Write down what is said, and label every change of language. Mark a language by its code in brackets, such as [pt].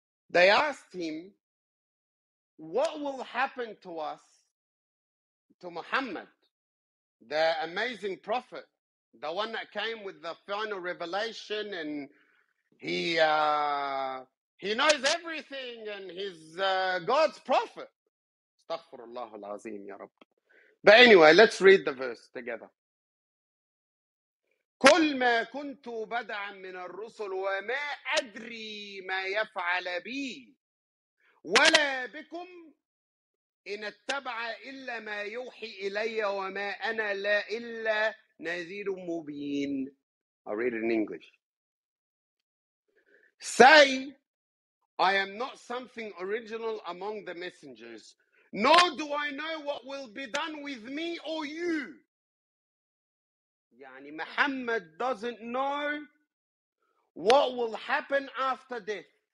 [en] They asked him, what will happen to us, to Muhammad, the amazing prophet, the one that came with the final revelation, and he knows everything, and he's God's prophet. [ar] Astaghfirullah al-Azim, ya Rabb. [en] But anyway, let's read the verse together. [ar] قل ما كنت بدعا من الرسل وما أدري ما يفعل بي ولا بكم إن اتبع إلا ما يوحي إلي وما أنا لا إلا نذير مبين. [en] I read it in English. Say, I am not something original among the messengers, nor do I know what will be done with me or you. Yani Muhammad doesn't know what will happen after death.